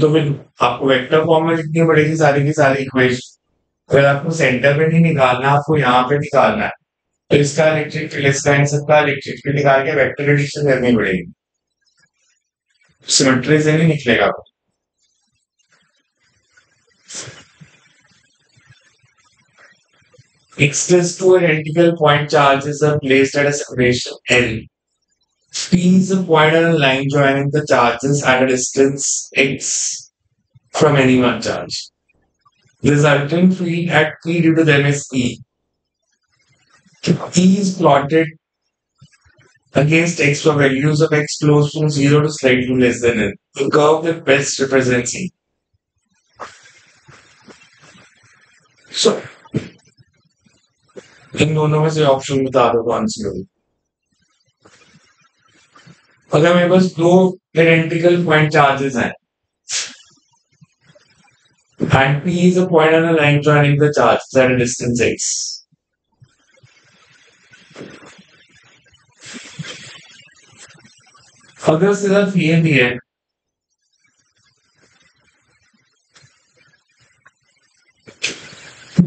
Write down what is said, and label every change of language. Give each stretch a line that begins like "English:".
Hindi: तो फिर आपको वेक्टर फॉर्म में लिखनी पड़ेगी सारी की सारी इक्वेशन फिर आपको सेंटर पे नहीं निकालना आपको यहाँ पे निकालना है तो इसका इलेक्ट्रिक फील्ड इसका इन सबका इलेक्ट्रिक फील्ड निकाल के वेक्टर एडिशन करनी पड़ेगी सिमेट्री से नहीं निकलेगा आपको
English: x plus 2 identical point charges are placed at a separation L. P is a point on a line joining the charges at a distance x from any one charge. Resultant field at P due to them is E. E is plotted against x for values of x close from 0 to slightly less than L. The curve that best represents E.
Hindi: So, इन दोनों में से option बता दो कौन सी होगी अगर मेरे पास दो आइडेंटिकल पॉइंट चार्जेस हैं
English: and P is a point on a line joining the charge at a distance x
Hindi: अगर सिर्फ ये भी है तो